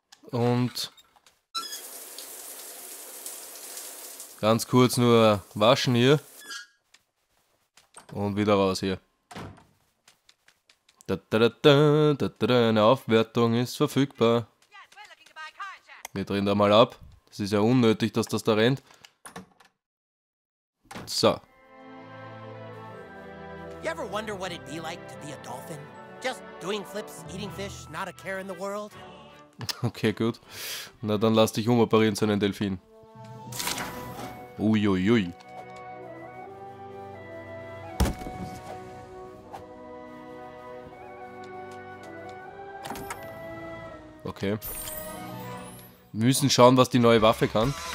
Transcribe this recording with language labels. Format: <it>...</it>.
<de>Und ganz kurz nur waschen hier. Und wieder raus hier. Eine Aufwertung ist verfügbar. Wir drehen da mal ab. Das ist ja unnötig, dass das da rennt. So.</de> <en>You ever wonder what it'd be like to be a dolphin? Just doing flips, eating fish, not a care in the world?</en> <de>Okay, gut. Na dann lass dich umoperieren zu einem Delfin. Uiuiui. Okay. Wir müssen schauen, was die neue Waffe kann.</de>